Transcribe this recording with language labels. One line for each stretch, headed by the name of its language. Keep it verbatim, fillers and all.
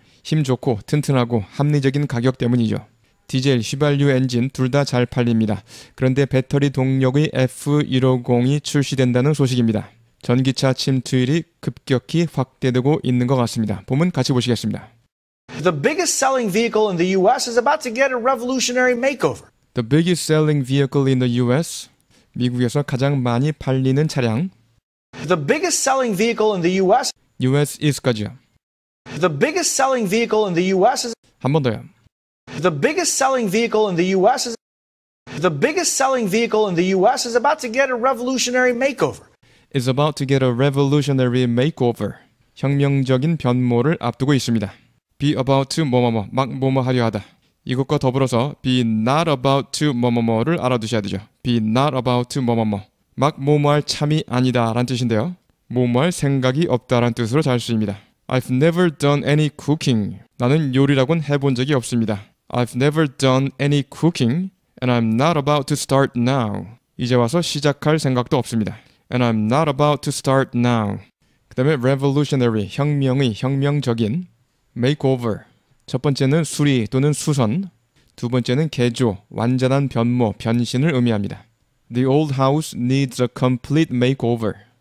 Korean: 힘 좋고 튼튼하고 합리적인 가격 때문이죠. 디젤, 휘발유 엔진 둘 다 잘 팔립니다. 그런데 배터리 동력의 에프 백오십이 출시된다는 소식입니다. 전기차 침투율이 급격히 확대되고 있는 것 같습니다. 보면 같이 보시겠습니다.
English: The biggest selling vehicle in the U S is about to get a revolutionary makeover. The biggest selling vehicle in the U S.
Korean: 미국에서 가장 많이 팔리는 차량.
English: The biggest selling vehicle in the U S. U S is까지요. The biggest selling vehicle in the U S is.
Korean: 한 번 더요.
English: The biggest selling vehicle in the U S is. The biggest selling vehicle in the U S is about to get a revolutionary makeover. Is about to get a revolutionary makeover.
Korean: 혁명적인 변모를 앞두고 있습니다.
English: Be about to
Korean: 뭐뭐뭐, 막 뭐뭐 하려 하다. 이것과 더불어서
English: be not about to
Korean: 뭐뭐뭐를 알아두셔야 되죠.
English: Be not about to
Korean: 뭐뭐뭐, 막 뭐뭐할 참이 아니다 라는 뜻인데요. 뭐뭐할 생각이 없다라는 뜻으로 잘 쓰입니다.
English: I've never done any cooking.
Korean: 나는 요리라고는 해본 적이 없습니다.
English: I've never done any cooking and I'm not about to start now.
Korean: 이제 와서 시작할 생각도 없습니다.
English: And I'm not about to start now.
Korean: 그 다음에
English: revolutionary, 혁명의, 혁명적인.
Korean: makeover, 첫 번째는 수리 또는 수선, 두 번째는 개조, 완전한 변모, 변신을 의미합니다.
English: The old house needs a complete makeover.